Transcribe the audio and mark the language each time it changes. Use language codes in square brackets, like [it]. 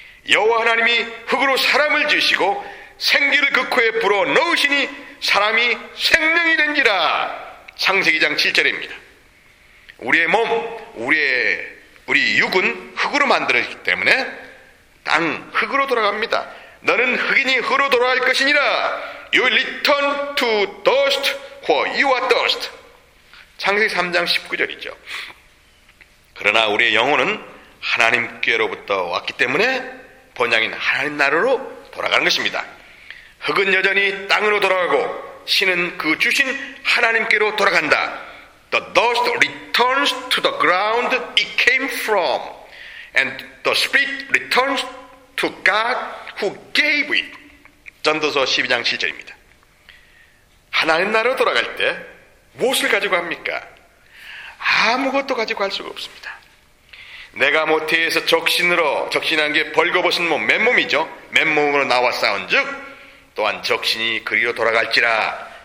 [ko] 여호와 하나님이 흙으로 사람을 지으시고 생기를 그 코에 불어 넣으시니 사람이 생명이 된지라. 창세기장 7절입니다. 우리의 몸, 우리의 육은 흙으로 만들어졌기 때문에 땅 흙으로 돌아갑니다. 너는 흙이니 흙으로 돌아갈 것이니라. [en] You return to dust for you are dust. [ko] 창세기 3장 19절이죠. 그러나 우리의 영혼은 하나님께로부터 왔기 때문에 본향인 하나님 나라로 돌아가는 것입니다. 흙은 여전히 땅으로 돌아가고 신은 그 주신 하나님께로 돌아간다. [en] The dust returns to the ground it came from and the spirit returns to God who gave it. [ko] 전도서 12장 7절입니다. 하나님 나라로 돌아갈 때 무엇을 가지고 합니까? 아무것도 가지고 갈 수가 없습니다. 내가 모태에서 적신한 게 벌거벗은 몸, 맨몸이죠. 맨몸으로 나와 싸운 즉, 또한 적신이 그리로 돌아갈지라.